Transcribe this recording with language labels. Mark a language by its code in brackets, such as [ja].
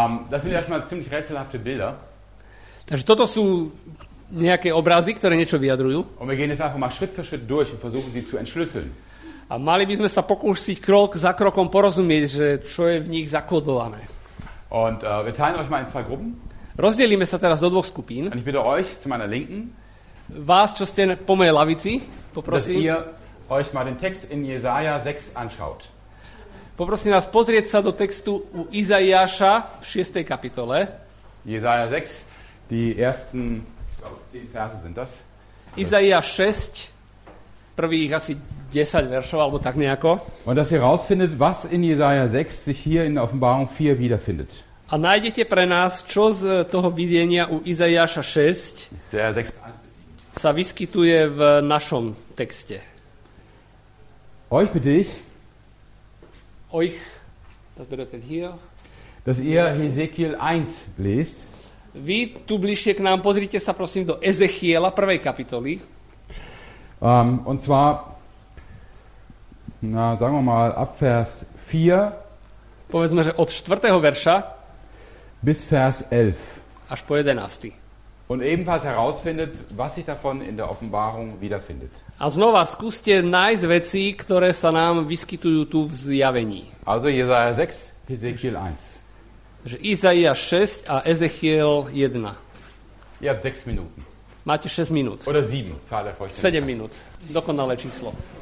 [de] Das sind erstmal ziemlich rätselhafte Bilder. [sk] Takže toto sú nejaké obrazy, ktoré niečo vyjadrujú. [de] Und wir gehen jetzt einfach mal Schritt für Schritt durch und versuchen sie zu entschlüsseln. [sk] A mali by sme sa pokúsiť krok za krokom porozumieť, že čo je v nich zakodované. [de] Und wir teilen euch mal in zwei Gruppen. [sk] Rozdelíme sa teraz do dvoch skupín. [de] Und ich bitte euch zu meiner Linken. [sk] Vás, čo ste po mojej lavici, poprosím. [de] Dass ihr euch mal den Text in Jesaja 6 anschaut. [sk] Poprosím vás pozrieť sa do textu u Izaiáša v 6. kapitole. [de] Jesaja 6. Die ersten, ich glaube, 10 Verse sind das. [sk] Isaiah 6, prvých asi 10 veršov, alebo tak nejako. [de] Und dass ihr rausfindet, was in Jesaja 6 sich hier in Offenbarung 4 wiederfindet. [sk] A nájdete pre nás, čo z toho videnia u Izaiáša 6 sa vyskytuje v našom texte. [de] Euch bitte ich. Euch, das bedeutet hier. Dass ihr Hesekiel 1 lest. [sk] Vy tu bližšie k nám pozrite sa prosím do Ezechiela 1. kapitoly. [de] Und zwar na sagen wir mal ab Vers 4. [sk] Povedzme, že od 4. verša [de] bis Vers 11. [sk] Až po 11. [de] Und ebenfalls herausfindet, was sich davon in der Offenbarung wiederfindet. [sk] A znova skúste nájsť veci, ktoré sa nám vyskytujú tu v zjavení. [de] Also Jesaja 6, Ezechiel 1. [sk] Že Izaia 6 a Ezechiel 1. [de] Ihr habt 6 Minuten. [sk] Máte 6 minút. [de] Oder 7, zahle vor [sk] 7 minút. Dokonalé číslo.